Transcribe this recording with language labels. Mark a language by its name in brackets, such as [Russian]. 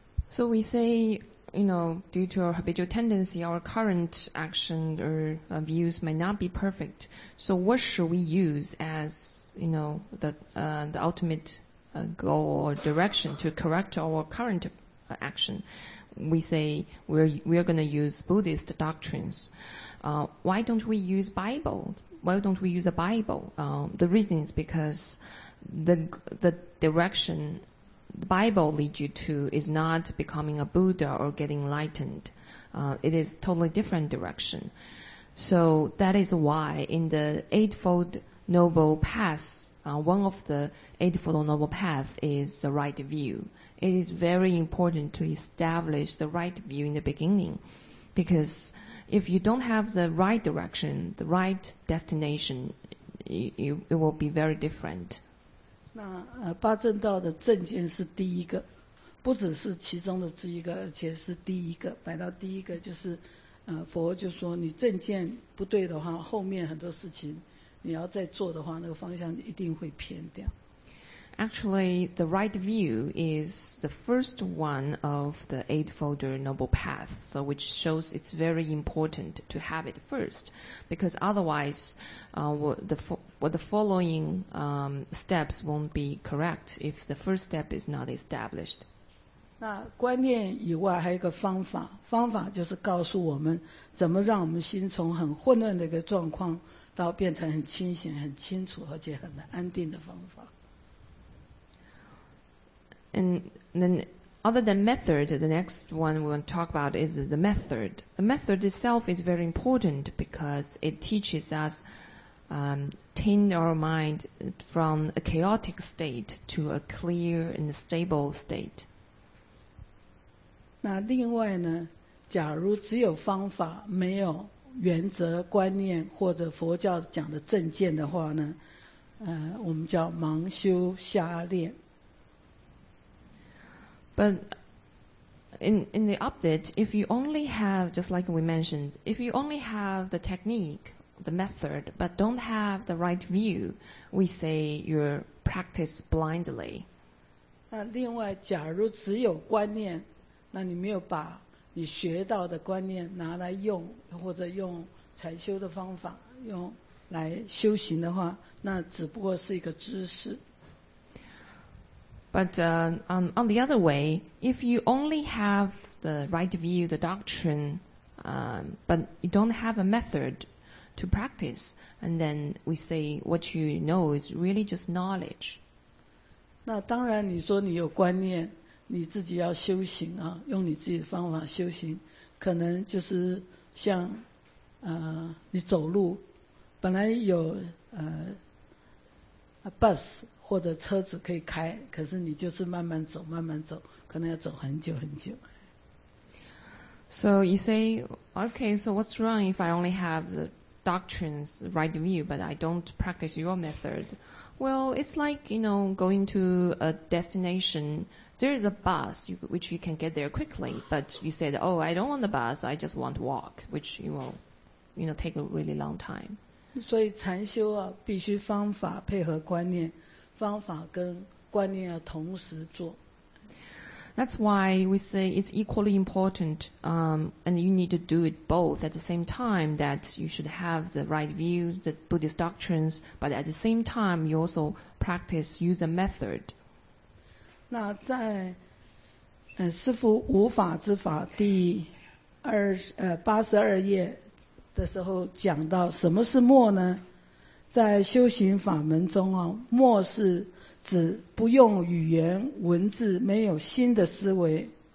[English] So we say, you know, due to our habitual tendency, our current action or views may not be perfect. So what should we use as, you know, the ultimate goal or direction to correct our current action? We say we are going to use Buddhist doctrines. Why don't we use Bible? Why don't we use a Bible? The reason is because the direction the Bible leads you to is not becoming a Buddha or getting enlightened. It is totally different direction. So that is why in the Eightfold Noble Path, one of the Eightfold Noble Path is the right view. It is very important to establish the right view in the beginning, because if you don't have the right direction, the right destination, it will be very different. [Chinese] 那八正道的正见是第一个，不只是其中的之一个，而且是第一个，摆到第一个就是，佛就说你正见不对的话，后面很多事情你要再做的话，那个方向一定会偏掉。 [English] Actually, the right view is the first one of the Eightfold Noble Path, so which shows it's very important to have it first, because otherwise, the following steps won't be correct if the first step is not established. [Chinese] 那观念以外还有一个方法，方法就是告诉我们怎么让我们心从很混乱的一个状况到变成很清醒、很清楚，而且很安定的方法。 [English] And then other than method, the next one we want to talk about is the method. The method itself is very important because it teaches us tame our mind from a chaotic state to a clear and stable state. [Chinese] 那另外呢，假如只有方法，没有原则、观念或者佛教讲的正见的话呢，我们叫盲修瞎练。 [English] But in the update, if you only have, just like we mentioned, if you only have the technique, the method, but don't have the right view, we say you practice blindly. [Chinese] 那另外，假如只有观念，那你没有把你学到的观念拿来用，或者用禅修的方法用来修行的话，那只不过是一个知识。 [English] But on the other way, if you only have the right view, the doctrine, but you don't have a method to practice, and then we say what you know is really just knowledge. [Chinese] 那当然你说你有观念，你自己要修行啊，用你自己的方法修行，可能就是像你走路，本来有bus 或者车子可以开，可是你就是慢慢走慢慢走，可能要走很久很久。 [English] So you say, okay, so what's wrong if I only have the doctrines, right view, but I don't practice your method? Well, it's like, you know, going to a destination. There is a bus which you can get there quickly, but you said, oh, I don't want the bus, I just want to walk, which will, you know, take a really long time. [Chinese] 所以禅修啊，必须方法配合观念，方法跟观念要同时做。 [English] That's why we say it's equally important, and you need to do it both at the same time, that you should have the right view, the Buddhist doctrines, but at the same time, you also practice, use a method. [Chinese] 那在师父无法之法第八十二页的时候讲到什么是默呢？在修行法门中啊，默是指不用语言文字，没有心的思维。